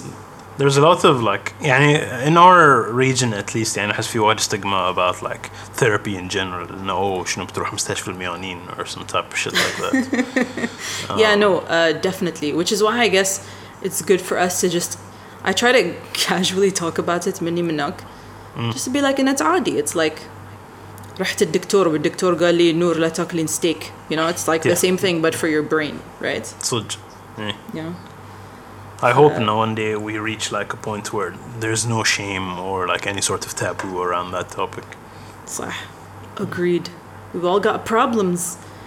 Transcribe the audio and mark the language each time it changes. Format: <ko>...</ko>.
<en>Of... There's a lot of, like, yani, in our region at least, yani, has few odd stigma about, like, therapy in general. No,</en> <ar>شنو بتروح مستشفى المجانين</ar> <en>or some type of shit like that. Yeah, no, definitely. Which is why I guess it's good for us to just, I try to casually talk about it,</en> <ar>مني منك,</ar> <en>just to be like, and it's عادي. It's like,</en> <ar>رحت الدكتور والدكتور قال لي نور لا تاكلين steak.</ar> <en>You know, it's like the same thing, but for your brain, right?</en> <ar>صدق.</ar> <en>Yeah. I hope one day we reach, like, a point where there's no shame or, like, any sort of taboo around that topic. صح. Agreed. We've all got problems.</en>